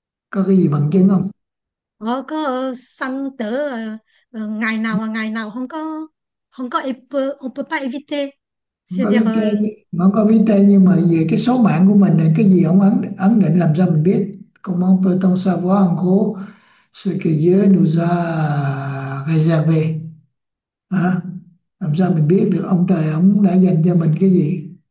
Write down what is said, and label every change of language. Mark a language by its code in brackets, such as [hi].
[vi] Có cái gì bằng chứng không? Có sanh tử ngày nào không có [fr] on peut pas éviter, [vi] Không [fr] c'est-à-dire [vi] có biết tên, nhưng mà về cái số mạng của mình là cái gì ông ấn định, làm sao mình biết? [fr] Comment peut-on savoir en gros ce que Dieu nous a réservé? Hả? [vi] Làm sao mình biết được ông trời ông đã dành cho mình cái gì?